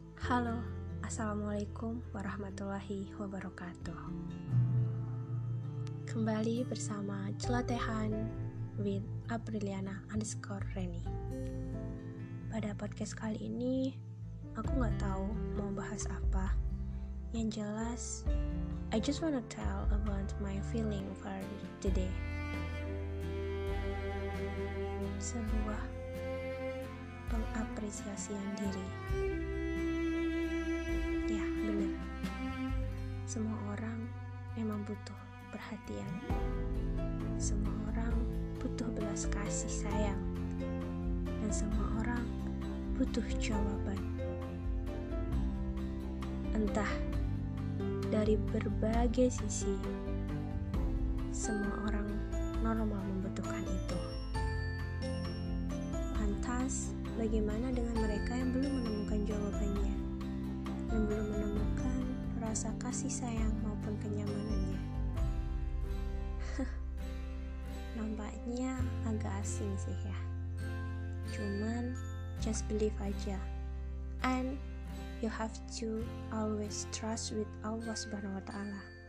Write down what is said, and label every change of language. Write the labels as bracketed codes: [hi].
[id] Halo, assalamualaikum warahmatullahi wabarakatuh. Kembali bersama Celotehan with Apriliana underscore Reni. Pada podcast kali ini, aku gak tahu mau bahas apa. Yang jelas, [en] I just wanna tell about my feeling for today. [id] Sebuah pengapresiasian diri. Ya, benar. Semua orang memang butuh perhatian. Semua orang butuh belas kasih sayang. Dan semua orang butuh jawaban. Entah dari berbagai sisi, semua orang normal membutuhkan itu. Lantas, bagaimana dengan mereka yang belum menemukan jawabannya, yang belum menemukan rasa kasih sayang maupun kenyamanannya? Nampaknya agak asing sih ya. [en] Cuman just believe aja, and you have to always trust with Allah Subhanahu wa Ta'ala.